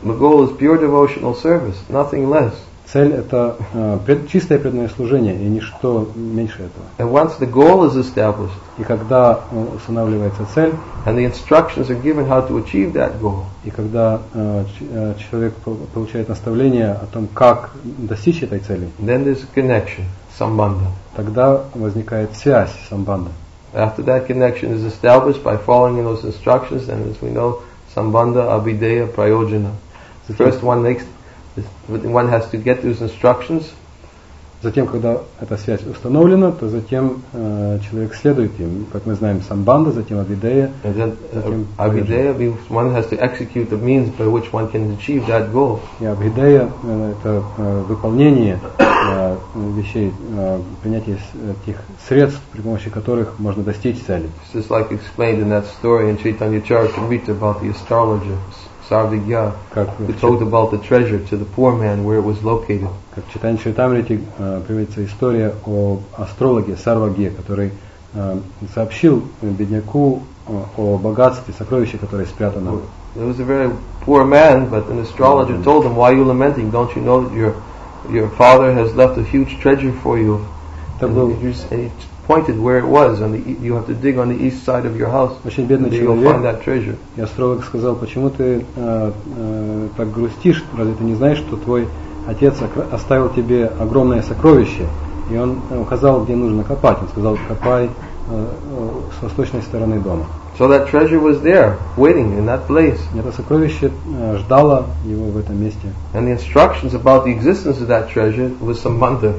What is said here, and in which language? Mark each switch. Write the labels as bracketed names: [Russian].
[English] The goal is pure devotional service, nothing less. [Russian] Цель это чистое преданное служение и ничто меньше этого. [English] And once the goal is established, [Russian] и когда устанавливается цель, [English] and the instructions are given how to achieve that goal, [Russian] и когда человек получает наставление о том, как достичь этой цели, [English] then there's a connection, sambandha. [Russian] Тогда возникает связь, самбанда. [English] After that connection is established by following those instructions, then as we know, sambandha, abhideya, prayojana. First one makes, one has to get those instructions. [Russian] Затем, когда эта связь установлена, то затем человек следует им. Как мы знаем, самбанда, затем абидея. [English] Абидея means one has to execute the means by which one can achieve that goal. [Russian] И абидея это выполнение вещей, принятие тех средств, при помощи которых можно достичь цели. [English] It's just like explained in that story in Chaitanya Charitamrita about the astrologer. Sarvigya, who told about the treasure to the poor man where it was located. [Russian] Как в Читании Чайтамрити приводится история о астрологе Сарвагье, который сообщил бедняку о богатстве, сокровище, которое спрятано. [English] It was a very poor man, but an astrologer told him, "Why are you lamenting? Don't you know that your father has left a huge treasure for you?" [Russian] это был [English] pointed where it was on the you have to dig on the east side of your house. [Russian] Очень бедный человек. [English] Find that treasure. [Russian] И астролог сказал, почему ты так грустишь, разве ты не знаешь, что твой отец оставил тебе огромное сокровище? И он указал, где нужно копать. Он сказал, копай с восточной стороны дома. [English] So that treasure was there, waiting in that place. [Russian] Это сокровище ждало его в этом месте. [English] And the instructions about the existence of that treasure was some mantra.